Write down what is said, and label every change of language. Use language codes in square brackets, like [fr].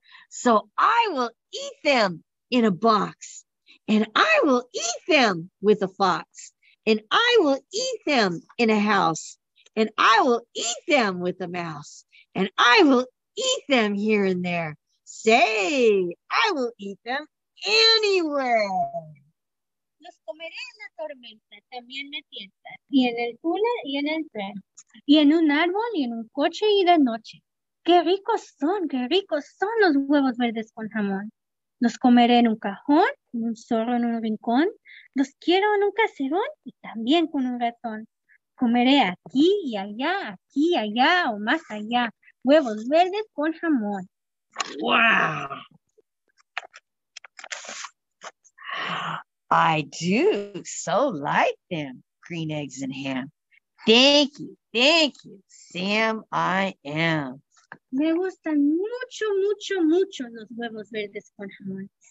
[en] So I will eat them in a box, and I will eat them with a fox, and I will eat them in a house, and I will eat them with a mouse, and I will eat them here and there. Say, I will eat them anywhere. [es] Los comeré en la tormenta, también me tienta, y en el tula y en el tren, y en un árbol y en un coche y de noche. Qué ricos son los huevos verdes con jamón. Los comeré en un cajón, con un zorro en un rincón. Los quiero en un caserón y también con un ratón. Comeré aquí y allá o más allá. Huevos verdes con jamón. [en] Wow. I do so like them, green eggs and ham. Thank you, Sam, I am. [es] Me gustan mucho, mucho, mucho los huevos verdes con jamón.